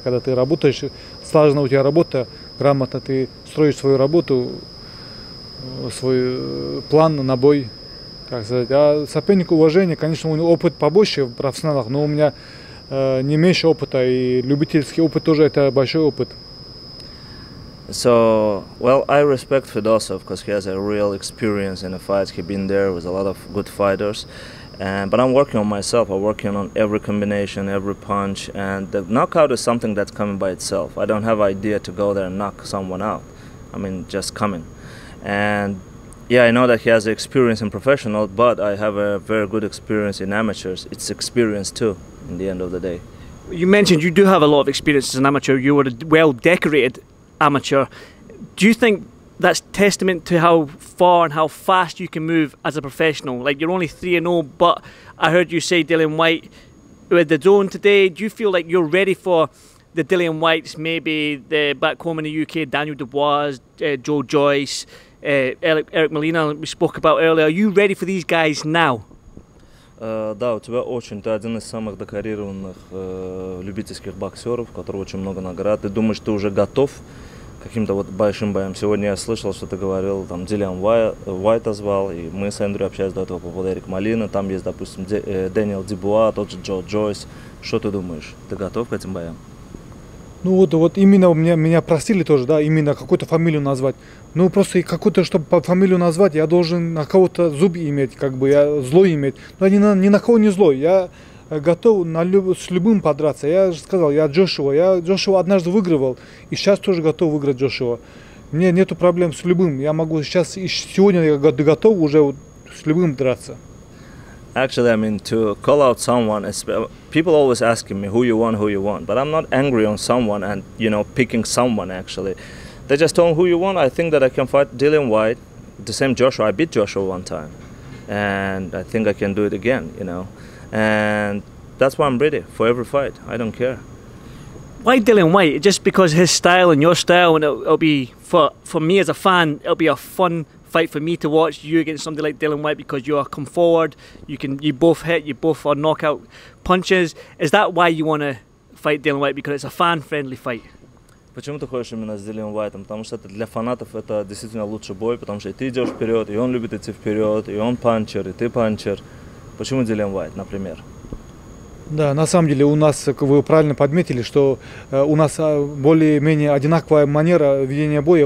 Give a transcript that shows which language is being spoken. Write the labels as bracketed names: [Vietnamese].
[Russian] Когда ты работаешь, слаженно у тебя работа, грамотно ты строишь свою работу, свой план на бой. Как сказать, а соперник уважения, конечно, у него опыт побольше в профессионалах, но у меня не меньше опыта, и любительский опыт тоже это большой опыт. [English] So, well, I respect Fedosov because he has a real experience in the fights. He's been there with a lot of good fighters. But I'm working on myself. I'm working on every combination, every punch. And the knockout is something that's coming by itself. I don't have idea to go there and knock someone out. I mean, just coming. And, yeah, I know that he has experience in professional, but I have a very good experience in amateurs. It's experience, too, in the end of the day. You mentioned you do have a lot of experience as an amateur. You were well-decorated amateur. Do you think that's testament to how far and how fast you can move as a professional? Like, you're only 3-0, but I heard you say Dillian White with the zone today. Do you feel like you're ready for the Dillian Whites, maybe the back home in the UK, Daniel Dubois, Joe Joyce, Eric Molina, we spoke about earlier. Are you ready for these guys now? [Russian] Да, у тебя очень, ты один из самых декорированных любительских боксеров, у которого очень много наград. Ты думаешь, ты уже готов к каким-то вот большим боям? Сегодня я слышал, что ты говорил, там Дилиан Уайт звал, и мы с Эндрю общались до этого по поводу Эрик Малина. Там есть, допустим, Дэниел Дебуа, тот же Джо Джойс. Что ты думаешь, ты готов к этим боям? Ну вот именно меня просили тоже, да, именно какую-то фамилию назвать. Ну просто какую-то, чтобы по фамилию назвать, я должен на кого-то зуб иметь, как бы, я зло иметь. Но ни на кого не злой, я готов с любым подраться. Я же сказал, я Джошуа, однажды выигрывал, и сейчас тоже готов выиграть Джошуа. Мне нету проблем с любым, я могу сейчас, и сегодня я готов уже с любым драться. [English] Actually, I mean, to call out someone, people always asking me who you want, but I'm not angry on someone and, you know, picking someone, actually. They just told me who you want. I think that I can fight Dillian White, the same Joshua. I beat Joshua one time, and I think I can do it again, you know, and that's why I'm ready for every fight. I don't care. Why Dillian White? Just because his style and your style, and it'll be, for me as a fan, it'll be a fun fight for me to watch you against somebody like Dillian White, because you are come forward, you both hit, you both are knockout punches. Is that why you want to fight Dillian White? Because it's a fan-friendly fight. [Russian] Почему ты хочешь именно с Дилианом Уайтом? Потому что это для фанатов это действительно лучший бой, потому что и ты идешь вперед, и он любит идти вперед, и он панчер, и ты панчер. Почему Дилиан Уайт, например? Да, на самом деле у нас, как вы правильно подметили, что у нас более-менее одинаковая манера ведения боя.